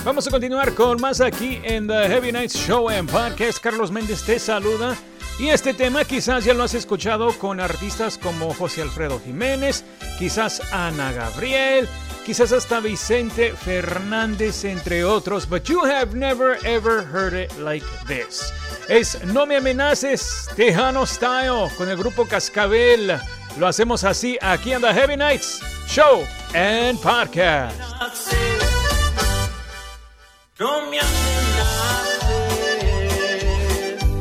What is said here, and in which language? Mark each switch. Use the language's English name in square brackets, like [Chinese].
[Spanish] Vamos a continuar con más aquí en The Heavy Knights Show and Podcast. Carlos Méndez te saluda. Y este tema quizás ya lo has escuchado con artistas como José Alfredo Jiménez, quizás Ana Gabriel, quizás hasta Vicente Fernández, entre otros. [English] But you have never ever heard it like this. [Spanish] Es No Me Amenaces, Tejano Style, con el grupo Cascabel. Lo hacemos así aquí en The Heavy Knights Show and Podcast. No me amenaces.